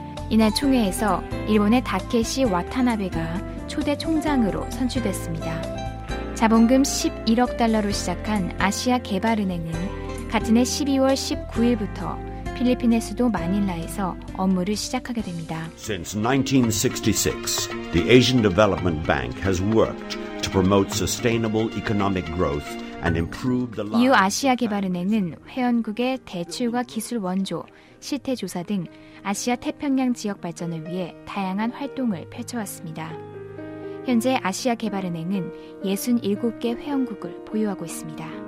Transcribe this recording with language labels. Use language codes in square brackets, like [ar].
[ko] 이날 총회에서 일본의 다케시 와타나베가 초대 총장으로 선출됐습니다. 자본금 11억 달러로 시작한 아시아개발은행은 같은 해 12월 19일부터 필리핀의 수도 마닐라에서 업무를 시작하게 됩니다. [en] Since 1966, the Asian Development Bank has worked to promote sustainable economic growth and improve the lives. [ko] 이후 아시아 개발은행은 회원국의 대출과 기술 원조, 실태 조사 등 아시아 태평양 지역 발전을 위해 다양한 활동을 펼쳐왔습니다. 현재 아시아 개발은행은 67개 회원국을 보유하고 있습니다.